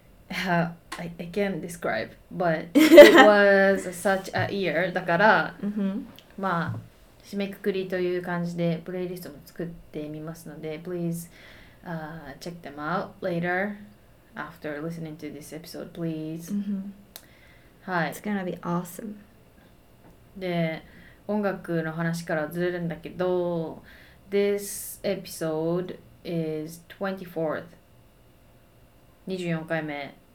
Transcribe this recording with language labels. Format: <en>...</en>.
<en>I can't describe, but it was such a year.</en> <ja>だから、 mm-hmm. まあ締めくくりという感じでプレイリストも作ってみますので、</ja> <en>please、 check them out later after listening to this episode, please. Mm-hmm. It's gonna be awesome.</en> <ja>で、音楽の話からずれるんだけど、</ja> <en>This episode is 24th.</en> <ja>24回目。</ja>